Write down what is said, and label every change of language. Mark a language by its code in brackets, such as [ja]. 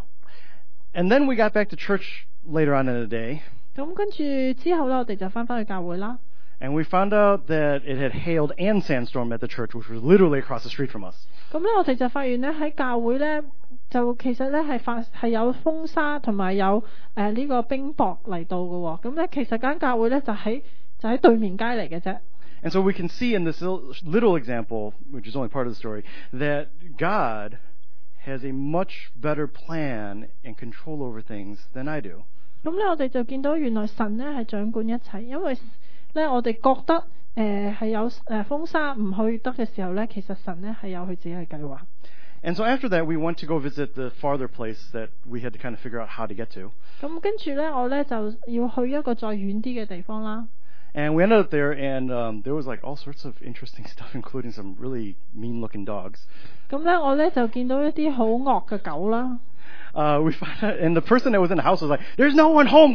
[en] And then we got back to church later on in the day. [yue] 咁跟住之後呢，我哋就返返去教會啦。 [en] And we found out that it had hailed and sandstormed at the church, which was literally across the street from us. [yue] 咁呢我哋就發現呢，喺教會呢，就其實呢係有風沙同埋有呢個冰雹嚟到㗎喎。咁呢其實間教會呢，就喺對面街嚟嘅啫。 [en] And so we can see in this little example, which is only part of the story, that God has a much better plan and control over things than I do. [yue] 咁呢我哋就見到原來神呢係掌管一切，因為 我哋覺得有風沙唔去得嘅時候呢，其實神呢係有佢自己嘅計劃。 [en] And so after that, we went to go visit the farther place that we had to kind of figure out how to get to. [yue] 咁跟住呢，我呢就要去一個再遠啲嘅地方啦。 [en] And we ended up there, and there was like all sorts of interesting stuff, including some really mean-looking dogs. [yue] 咁呢，我呢就見到一啲好惡嘅狗啦。 [en] We found out, and the person that was in the house was like, "There's no one home.